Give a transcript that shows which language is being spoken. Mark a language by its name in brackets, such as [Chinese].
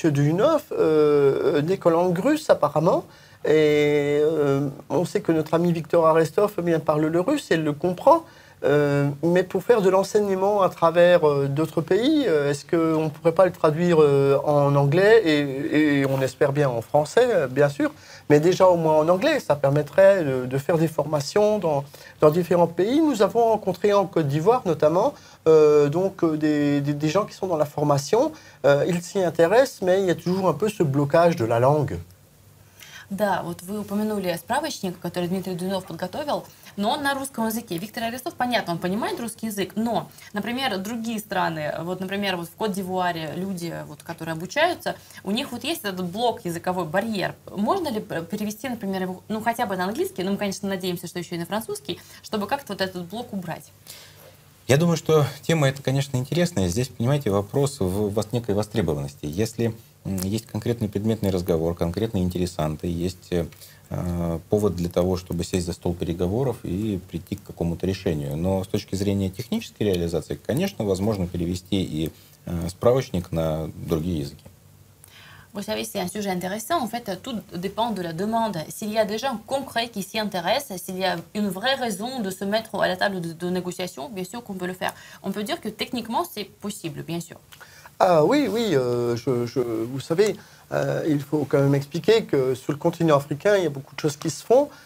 [French] Duyunov, Nicolas Grus apparemment, et on sait que notre ami Victor Aristov parle le russe et le comprend, mais pour faire de l'enseignement à travers d'autres pays, est-ce qu'on ne pourrait pas le traduire en anglais et on espère bien en français, bien sûr, mais déjà au moins en anglais, ça permettrait de faire des formations dans différents pays. Nous avons rencontré en Côte d'Ivoire notamment des gens qui sont dans la formation, ils s'y intéressent, mais il y a toujours un peu ce blocage de la langue. [Russian] Да, вот вы упомянули справочник, который Дмитрий Дунов подготовил, но он на русском языке. Виктор Аристов, понятно, он понимает русский язык, но, например, другие страны, вот, например, вот в Кот-д'Ивуаре люди, вот, которые обучаются, у них вот есть этот блок языковой, барьер. Можно ли перевести, например, ну, хотя бы на английский, но мы, конечно, надеемся, что еще и на французский, чтобы как-то вот этот блок убрать? Я думаю, что тема эта, конечно, интересная. Здесь, понимаете, вопрос в некой востребованности. Если... Есть конкретный предметный разговор, конкретные интересанты, есть повод для того, чтобы сесть за стол переговоров и прийти к какому-то решению. Но с точки зрения технической реализации, конечно, возможно перевести и справочник на другие языки. [French] Vous savez, c'est un sujet intéressant. En fait, tout dépend de la demande. S'il y a des gens concrets qui s'y intéressent, s'il y a une vraie raison de se mettre à la table de négociation, bien sûr qu'on peut le faire. On peut dire que techniquement, c'est possible, bien sûr. Ah oui, oui. Vous savez, il faut quand même expliquer que sur le continent africain, il y a beaucoup de choses qui se font.